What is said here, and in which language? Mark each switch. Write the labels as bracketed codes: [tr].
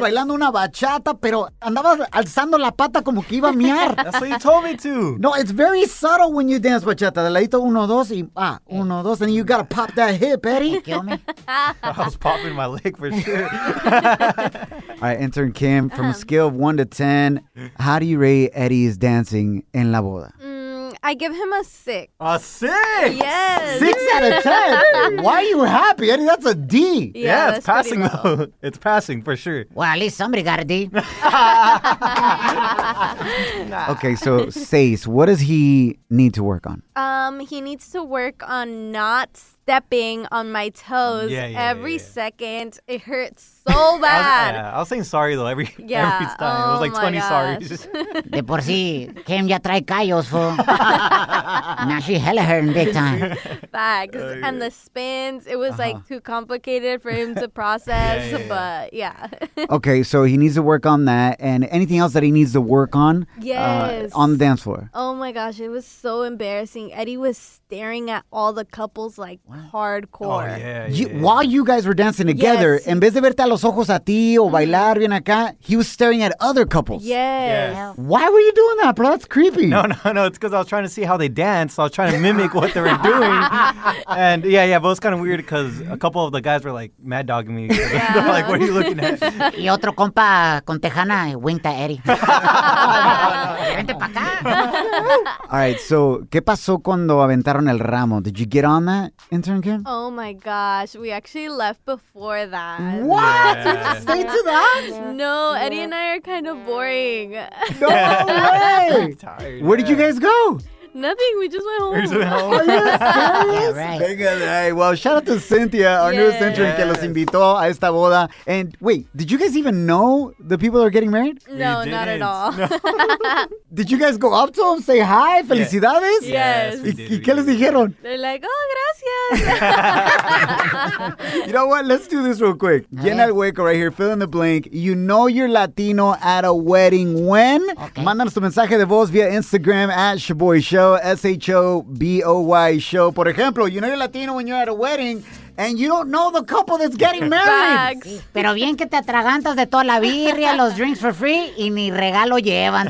[es] Estamos bailando una bachata, pero andaba alzando la pata como que iba a miar. [en] That's what you told me to. No, it's very subtle when you dance bachata. [es] De ladito uno, dos, [en] y uno, dos, and you gotta pop that hip, Eddie. Thank you, homie. I was popping my leg for sure. All right, intern Kim, from a scale of 1 to 10, how do you rate Eddie's dancing [es] en la boda? [en] I give him a 6. A 6? Yes. 6 out of 10? Why are you happy, Eddie? That's a D. Yeah, it's passing, well, though. It's passing, for sure. Well, at least somebody got a D. Okay, so Sace, what does he need to work on? He needs to work on not stepping on my toes second. It hurts so bad. I was saying sorry, though, every time. Oh, it was like 20 sorries. [es] De por sí, Kim ya trae callos, fool. [en] Now she hella hurting big time. Facts. And the spins, it was like too complicated for him to process, but yeah. Okay, so he needs to work on that. And anything else that he needs to work on? Yes. On the dance floor. Oh my gosh, it was so embarrassing. Eddie was staring at all the couples like hardcore. Oh, While you guys were dancing together, yes, [es] en vez de verte a los ojos a ti o bailar bien acá, [en] he was staring at other couples. Yes. Why were you doing that, bro? That's creepy. No, it's because I was trying to see how they dance. So I was trying to mimic what they were doing. And but it was kind of weird because a couple of the guys were like mad dogging me. They're like, what are you looking at? [es] Y otro compa con tejana [en] winked at Eddie. [es] Vente pa' acá. [en] All right, so [es] ¿qué pasó cuando aventaron el ramo? [en] Did you get on that, intern Kim? Oh my gosh, we actually left before that. What? Yeah. You stayed to that? No, Eddie and I are kind of boring. No way! Where did you guys go? Nothing, we just went home. We just went home. Are you serious? All right. Hey, well, shout out to Cynthia, our newest intern, [es] que los invitó a esta boda. [en] And wait, did you guys even know the people that are getting married? No, not at all. No. Did you guys go up to them, say hi, felicidades? Yes. [es] ¿Y qué les dijeron? [en] They're like, oh, gracias. You know what? Let's do this real quick. [es] Llena el hueco [en] right here, fill in the blank. You know you're Latino at a wedding when? Okay. [es] Mándanos tu mensaje de voz via Instagram at Shaboy Show, S-H-O-B-O-Y Show. Por ejemplo, [en] you know you're Latino when you're at a wedding and you don't know the couple that's getting married. [es] Pero bien que te atragantas de toda la birria, los [en] drinks for free, [es] y ni regalo llevan.